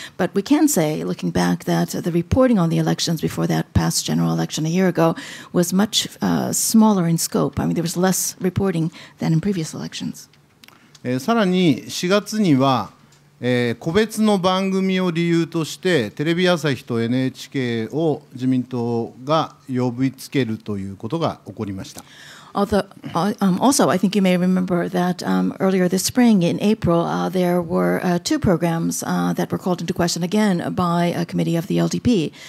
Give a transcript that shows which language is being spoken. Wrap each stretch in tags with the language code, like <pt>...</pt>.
<en>But we can say, looking back, that the reporting on the elections before that past general election a year ago was much smaller in scope. I mean, there was less reporting than in previous elections.</en> <ja>さらに4月には個別の番組を理由としてテレビ朝日と NHK を自民党が呼びつけるということが起こりました。</ja> <en>Also, I think you may remember that earlier this spring in April, there were two programs that were called into question again by a committee of the LDP.</en>